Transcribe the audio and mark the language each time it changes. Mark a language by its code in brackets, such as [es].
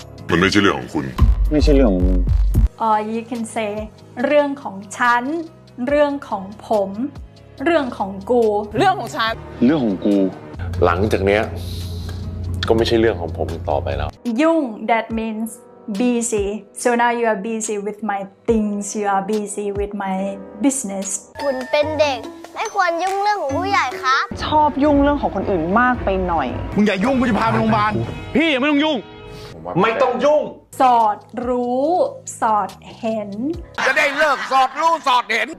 [th] มันไม่ใช่เรื่องของคุณ ไม่ใช่เรื่องของมึง [en] Or you can say [th] เรื่องของฉันเรื่องของผมเรื่องของกู เรื่องของฉัน เรื่องของกู หลังจากเนี้ยก็ไม่ใช่เรื่องของผมต่อไปแล้ว [en] ยุ่ง That meansBusy. So now you are busy with my things. You are busy with my business. [th] คุณเป็นเด็กไม่ควรยุ่งเรื่องของผู้ใหญ่ครับ ชอบยุ่งเรื่องของคนอื่นมากไปหน่อย มึงอย่ายุ่งกูจะพาไปโรงพยาบาล พี่อย่าไม่ต้องยุ่ง ไม่ต้องยุ่ง สอดรู้สอดเห็น จะได้เลิกสอดรู้สอดเห็น